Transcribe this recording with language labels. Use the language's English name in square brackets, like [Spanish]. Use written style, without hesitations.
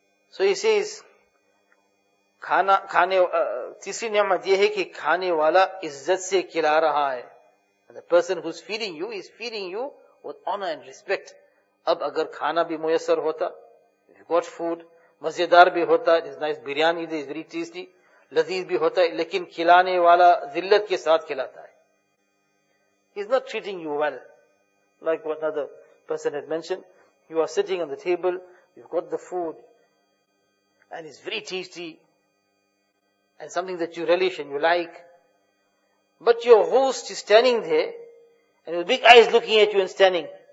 [English] So he says, [Urdu] tisri ni'mat ye hai ki khane wala izzat se khila raha hai. [English] And the person who's feeding you is feeding you with honor and respect. [Urdu] Ab agar khana bhi muyassar hota, [English] if you got food, [Urdu] mazedar bhi hota, [English] it's nice biryani, it's very tasty. [Urdu] لذیذ بھی ہوتا ہے لیکن کھلانے والا ذلت کے ساتھ کھلاتا ہے. [English] He's not treating you well. Like what another person had mentioned, you are sitting on the table, you've got the food, and it's very tasty, and something that you relish and you like. But your host is standing there, and with big eyes looking at you and standing.